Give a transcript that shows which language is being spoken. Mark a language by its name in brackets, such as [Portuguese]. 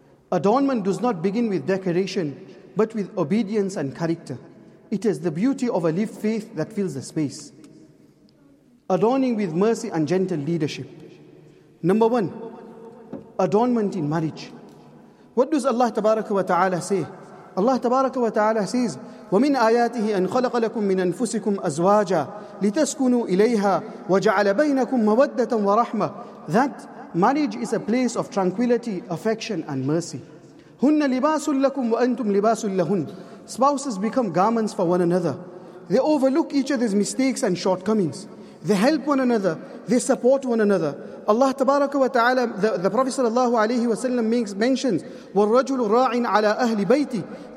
[English] Adornment does not begin with decoration, but with obedience and character. It is the beauty of a lived faith that fills the space. Adorning with mercy and gentle leadership. Number one, adornment in marriage. What does Allah tabaraka wa ta'ala say? Allah tabaraka wa ta'ala says, [Arabic] وَمِنْ آيَاتِهِ أَنْ خَلَقَ لَكُمْ مِنْ أَنفُسِكُمْ أَزْوَاجًا لِتَسْكُنُوا إِلَيْهَا وَجَعَلَ بَيْنَكُمْ مَوَدَّةً وَرَحْمَةً. [English] That marriage is a place of tranquility, affection and mercy. [Arabic] هُنَّ لِبَاسٌ لَكُمْ وَأَنْتُمْ لِبَاسٌ لَهُنْ. [English] Spouses become garments for one another. They overlook each other's mistakes and shortcomings. They help one another. They support one another. Allah tabaraka wa ta'ala, the Prophet sallallahu alayhi wa sallam mentions, [Arabic] وَالرَّجُلُ رَاعٍ عَلَىٰ أَهْلِ بَيْتِ.